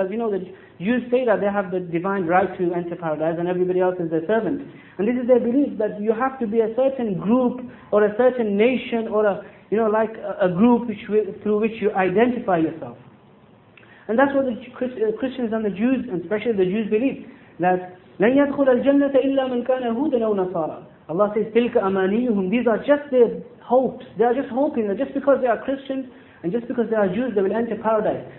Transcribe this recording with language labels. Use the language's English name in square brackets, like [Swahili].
[English] As you know, the Jews say that they have the divine right to enter paradise and everybody else is their servant. And this is their belief, that you have to be a certain group or a certain nation or a group through which you identify yourself. And that's what the Christians and the Jews, and especially the Jews, believe. [Arabic] That لَنْ يَدْخُلَ الْجَنَّةَ إِلَّا مَنْ كَانَ هُودًا أَوْ نَصَارًا. [English] Allah says, [Arabic] تِلْكَ أَمَانِيُّهُمْ. [English] These are just their hopes. They are just hoping that just because they are Christians and just because they are Jews, they will enter paradise.